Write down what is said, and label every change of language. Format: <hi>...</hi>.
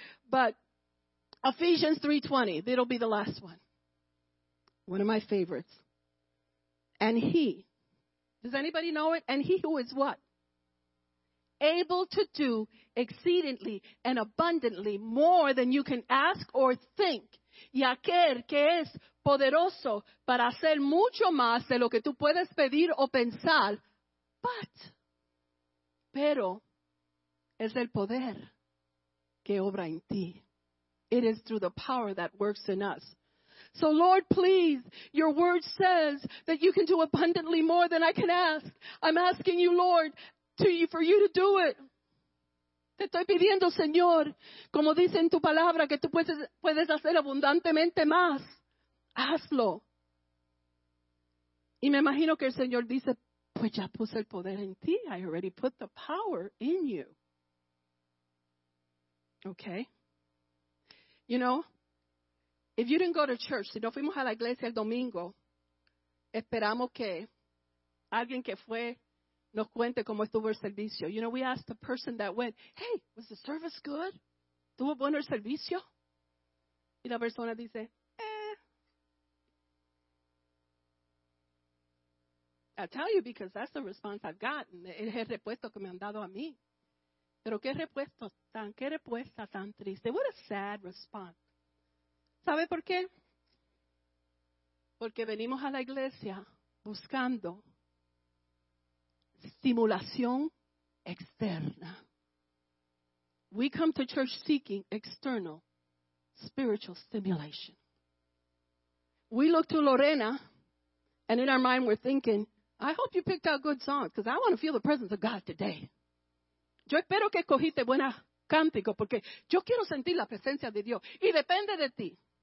<en>But Ephesians 3:20, it'll be the last one. One of my favorites. And he, does anybody know it? And he who is what? Able to do exceedingly and abundantly more than you can ask or think.</en> <es>Y aquel que es poderoso para hacer mucho más de lo que tú puedes pedir o pensar. Pero es el poder que obra en ti.</es> <en>It is through the power that works in us. So, Lord, please, your word says that you can do abundantly more than I can ask. I'm asking you, Lord, for you to do it.</en> <es>Te estoy pidiendo, Señor, como dice en tu palabra, que tú puedes hacer abundantemente más. Hazlo. Y me imagino que el Señor dice, pues ya puse el poder en ti.</es> <en>I already put the power in you. Okay. You know, if you didn't go to church,</en> <es>si no fuimos a la iglesia el domingo, esperamos que alguien que fue nos cuente cómo estuvo el servicio.</es> <en>You know, we asked the person that went, hey, was the service good?</en> <es>¿Tuvo bueno el servicio? Y la persona dice,</es> <en>I tell you because that's the response I've gotten.</en> <es>Es el repuesto que me han dado a mí. Pero qué respuesta tan triste.</es> <en>What a sad response.</en> <es>¿Sabe por qué? Porque venimos a la iglesia buscando estimulación externa.</es> <en>We come to church seeking external spiritual stimulation. We look to Lorena, and in our mind we're thinking, I hope you picked out good songs, because I want to feel the presence of God today.</en> <es>Yo espero que escogiste buenos cánticos, porque yo quiero sentir la presencia de Dios, y depende de ti.</es>